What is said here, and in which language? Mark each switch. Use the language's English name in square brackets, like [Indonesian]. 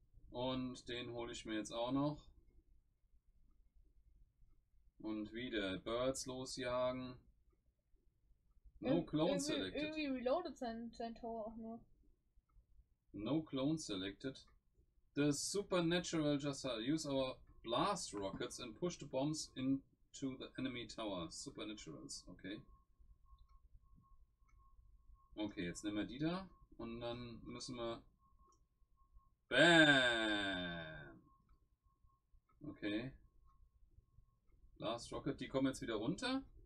[German] Und den hole ich mir jetzt auch noch. Und wieder Birds losjagen. [English] No clone selected. [German] Irgendwie reloadet sein Tower auch nur. [English] No clone selected. The supernatural just use our blast rockets and push the bombs into the enemy tower. Supernaturals, okay. [German] Okay, jetzt nehmen wir die da und dann müssen wir. Bam! Okay. Last Rocket, die kommen jetzt wieder runter.